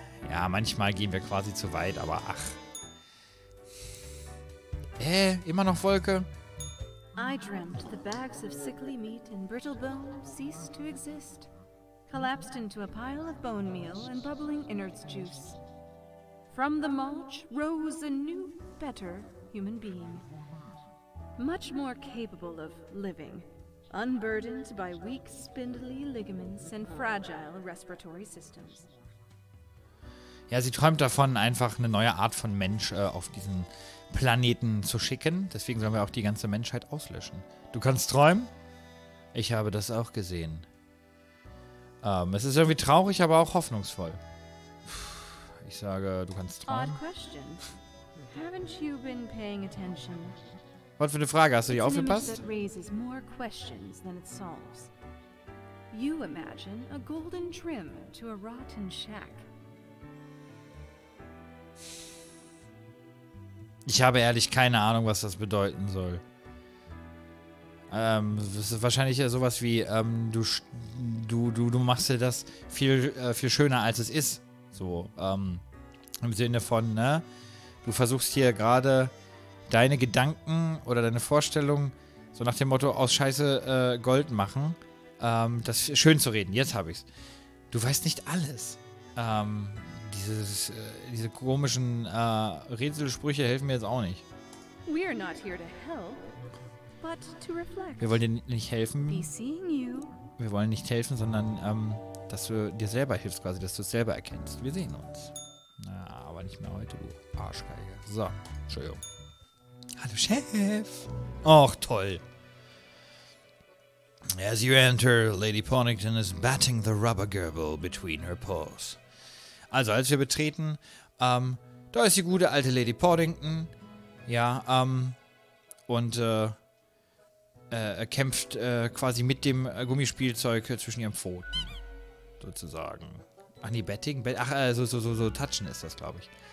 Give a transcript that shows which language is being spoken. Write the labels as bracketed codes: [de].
[de] Ja, manchmal gehen wir quasi zu weit, aber ach. Immer noch Wolke? [en] I dreamt the bags of sickly meat and brittle bone ceased to exist, collapsed into a pile of bone meal and bubbling innards juice. From the mulch rose a new, better human being. Much more capable of living. Unburdened by weak, spindly ligaments and fragile respiratory systems. [de] Ja, sie träumt davon, einfach eine neue Art von Mensch auf diesen Planeten zu schicken. Deswegen sollen wir auch die ganze Menschheit auslöschen. Du kannst träumen? Ich habe das auch gesehen. Es ist irgendwie traurig, aber auch hoffnungsvoll. Ich sage, du kannst träumen. [en] Odd question. Haven't you been paying attention? [de] Was für eine Frage, hast du dich aufgepasst? [en] It's an image that raises more questions than it solves. You imagine a golden trim to a rotten shack. [de] Ich habe ehrlich keine Ahnung, was das bedeuten soll. Das ist wahrscheinlich sowas wie, du machst dir das viel, viel schöner, als es ist. So, im Sinne von, ne? Du versuchst hier gerade deine Gedanken oder deine Vorstellung so nach dem Motto aus Scheiße Gold machen, das schön zu reden. Jetzt habe ich's. Du weißt nicht alles. Diese komischen Rätselsprüche helfen mir jetzt auch nicht. [en] We're not here to help, but to reflect. [de] Wir wollen dir nicht helfen. [en] Be seeing you. [de] Wir wollen nicht helfen, sondern dass du dir selber hilfst quasi, dass du es selber erkennst. Wir sehen uns. Na, aber nicht mehr heute, du Arschgeige. So, Entschuldigung. Hallo, Chef. Och, toll. [en] As you enter, Lady Ponington is batting the rubber gerbil between her paws. [de] Also, als wir betreten, da ist die gute alte Lady Ponington. Ja, und kämpft quasi mit dem Gummispielzeug zwischen ihren Pfoten. Sozusagen. Ach nee, Betting? So touchen ist das, glaube ich.